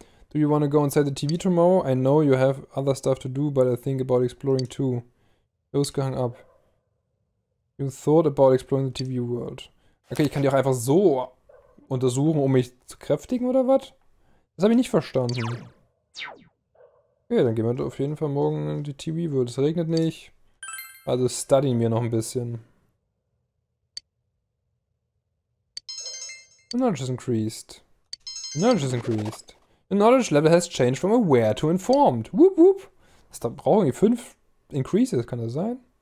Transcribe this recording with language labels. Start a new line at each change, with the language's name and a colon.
English: Do you want to go inside the TV tomorrow? I know you have other stuff to do, but I think about exploring too. Yusuke hung up. You thought about exploring the TV world.
German: Okay, ich kann die auch einfach so untersuchen, um mich zu kräftigen oder was? Das habe ich nicht verstanden. Okay, dann gehen wir auf jeden Fall morgen in die TV world. Es regnet nicht. Also studyen wir noch ein bisschen.
English: Knowledge has increased. Knowledge has increased. The knowledge level has changed from aware to informed. Whoop whoop.
German: Das da brauchen wir 5 increases, kann das sein?